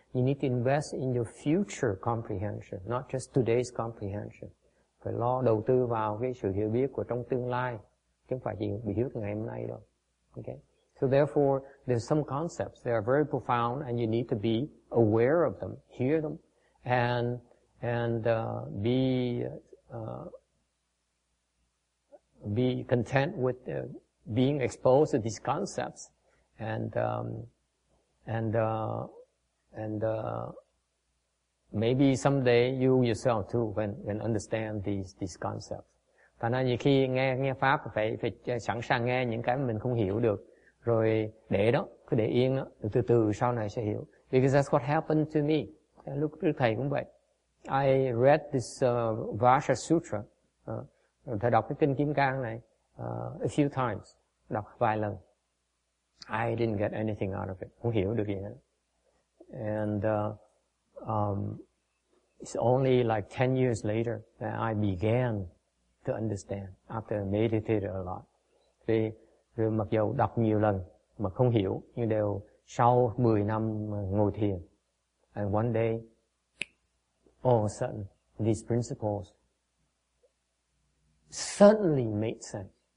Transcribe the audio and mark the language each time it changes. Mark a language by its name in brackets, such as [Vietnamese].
[English] You need to invest in your future comprehension, not just today's comprehension. [Vietnamese] Phải lo đầu tư vào cái sự hiểu biết của trong tương lai, chứ không phải chỉ bị hiểu ngày hôm nay đâu. [English] Okay. So therefore, there's some concepts that are very profound, and you need to be aware of them, hear them, and be content with being exposed to these concepts, and maybe someday you yourself too when understand these concepts. [Vietnamese] Thành ra nhiều khi nghe pháp phải sẵn sàng nghe những cái mà mình không hiểu được. Rồi để đó, cứ để yên đó, từ từ sau này sẽ hiểu. [English] Because that's what happened to me. [Vietnamese] Lúc trước thầy cũng vậy. [English] I read this Vajra Sutra, [Vietnamese] thầy đọc cái kinh Kim Cang này [English] a few times, [Vietnamese] đọc vài lần. [English] I didn't get anything out of it, [Vietnamese] không hiểu được gì hết. [English] And it's only like 10 years later that I began to understand after I meditated a lot. [Vietnamese] Rồi mặc dù đọc nhiều lần mà không hiểu, nhưng đều sau 10 năm ngồi thiền. [English] And one day, all of a sudden, these principles suddenly made sense.